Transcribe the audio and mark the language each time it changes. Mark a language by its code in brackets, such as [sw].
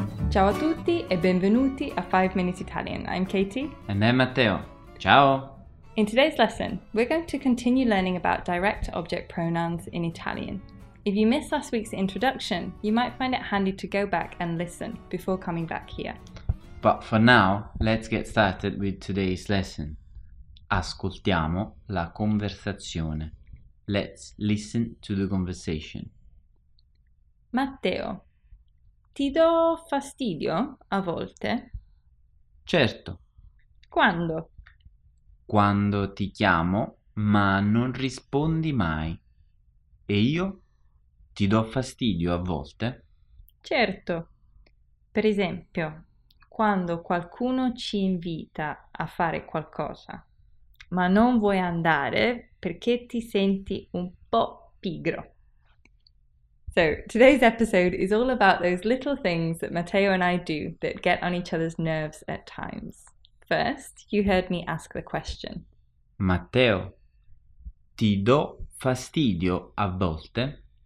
[it] Ciao a tutti e benvenuti a 5 Minute Italian. [en] I'm Katie. And I'm Matteo. Ciao! In today's lesson, we're going to continue learning about direct object pronouns in Italian. If you missed last week's introduction, you might find it handy to go back and listen before coming back here. But for now, let's get started with today's lesson. [it] Ascoltiamo la conversazione. [en] Let's listen to the conversation. [it] Matteo. Ti do fastidio a volte? Certo. Quando? Quando ti chiamo, ma non rispondi mai. E io? Ti do fastidio a volte? Certo. Per esempio, quando qualcuno ci invita a fare qualcosa, ma non vuoi andare perché ti senti un po' pigro. [en] So, today's episode is all about those little things that Matteo and I do that get on each other's nerves at times. First, you heard me ask the question. [it] Matteo, ti do fastidio a volte?